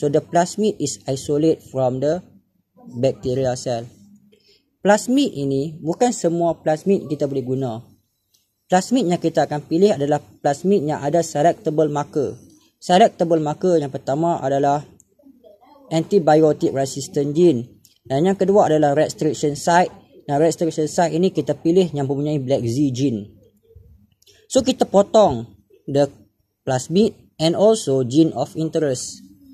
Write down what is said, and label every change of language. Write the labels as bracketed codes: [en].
[en] So, the plasmid is isolated from the bacteria cell. [ms] Plasmid ini bukan semua plasmid kita boleh guna. Plasmid yang kita akan pilih adalah plasmid yang ada selectable marker. Selectable marker yang pertama adalah antibiotic resistant gene. Dan yang kedua adalah restriction site. Dan restriction site ini kita pilih yang mempunyai black Z gene. [en] So [ms] kita potong [en] the plasmid and also gene of interest.